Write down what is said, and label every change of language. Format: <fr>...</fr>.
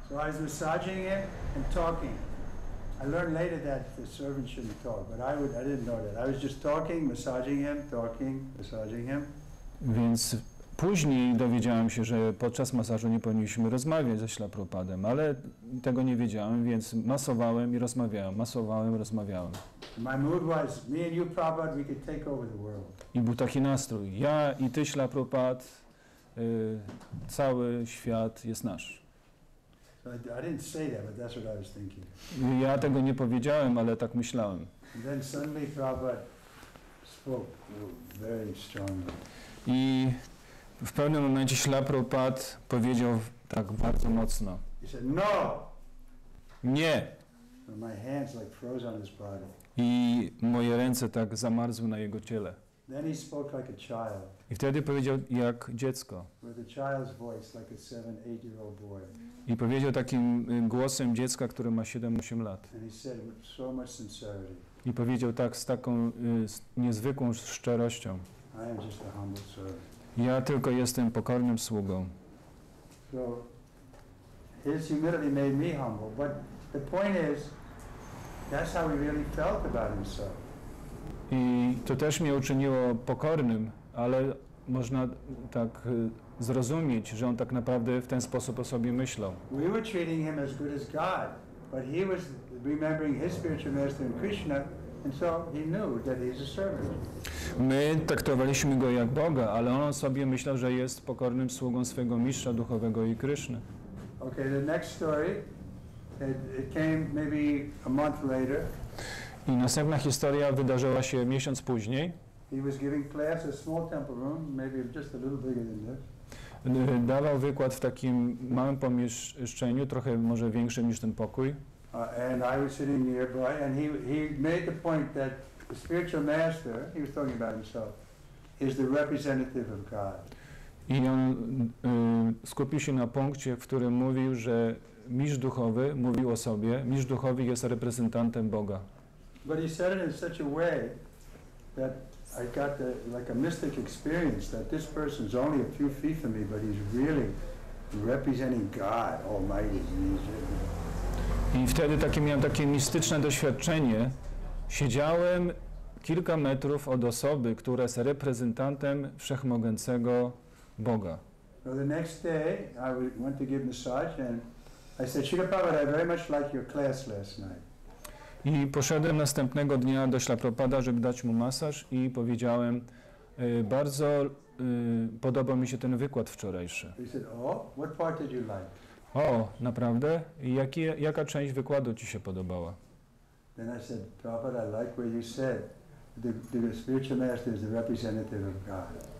<en>So I was massaging him and talking. I learned later that the servant shouldn't talk, but I didn't know that. I was just talking, massaging him, talking, massaging him.</en> <pl>Więc później dowiedziałem się, że podczas masażu nie powinniśmy rozmawiać ze Śla Prabhupadem, ale tego nie wiedziałem, więc masowałem i rozmawiałem, masowałem, rozmawiałem.</pl> <en>My mood was, me and you, Prabhupada, we could take over the world.</en> <pl>I był taki nastrój. Ja i ty, Śla Prabhupada, cały świat jest nasz.</pl> <en>I didn't say that, but that's what I was thinking.</en> <pl>Ja tego nie powiedziałem, ale tak myślałem.</pl> <en>And then suddenly Prabhupada spoke very strongly.</en> <pl>I w pewnym momencie Śla Prabhupada powiedział tak bardzo mocno.</pl> <en>He said, no!</en> <pl>Nie!</pl> <en>And my hands like froze on his body.</en> <pl>I moje ręce tak zamarzły na jego ciele.</pl> <en>Then he spoke like a child.</en> <pl>I wtedy powiedział jak dziecko.</pl> <en>With a child's voice, like a 7-8-year-old boy.</en> <pl>I powiedział takim głosem dziecka, które ma 7-8 lat.</pl> <en>And he said with so much sincerity.</en> <pl>I powiedział tak z taką niezwykłą szczerością.</pl> <en>I am just a humble servant.</en> <pl>Ja tylko jestem pokornym sługą.</pl> <en>So his humility made me humble, but the point is, that's how he really felt about himself.</en> <pl>I to też mnie uczyniło pokornym, ale można tak zrozumieć, że on tak naprawdę w ten sposób o sobie myślał.</pl> <en>We were treating him as good as God, but he was remembering his spiritual master in Krishna, And so he knew that he's a servant.</en> <pl>My traktowaliśmy go jak Boga, ale on sobie myślał, że jest pokornym sługą swego mistrza duchowego i Kryszny.</pl> <en>Okay, the next story, it came maybe a month later.</en> <pl>I następna historia wydarzyła się miesiąc później.</pl> <en>He was giving class in a small temple room, maybe just a little bigger than this.</en> <pl>Dawał wykład w takim małym pomieszczeniu, trochę może większym niż ten pokój.</pl> <en>And I was sitting nearby, and he made the point that the spiritual master, he was talking about himself, is the representative of God.</en> <pl>I on skupił się na punkcie, w którym mówił, że mistrz duchowy mówił o sobie, mistrz duchowy jest reprezentantem Boga.</pl> <en>But he said it in such a way that I got the, like a mystic experience that this person is only a few feet from me, but he's really representing God Almighty.</en> <pl>I wtedy takie miałem takie mistyczne doświadczenie. Siedziałem kilka metrów od osoby, która jest reprezentantem wszechmogącego Boga.</pl> <en>So the next day I went to give massage and I said, Srila Prabhupada, I very much like your class last night.</en> <pl>I poszedłem następnego dnia do Śla Prabhupada, żeby dać mu masaż i powiedziałem, bardzo podobał mi się ten wykład wczorajszy.</pl> <en>He said, oh, what part did you like?</en> <pl>O, naprawdę? Jaka część wykładu ci się podobała?</pl> <en>Then I said, Prabhupada, I like what you said. The spiritual master is the representative of God.</en>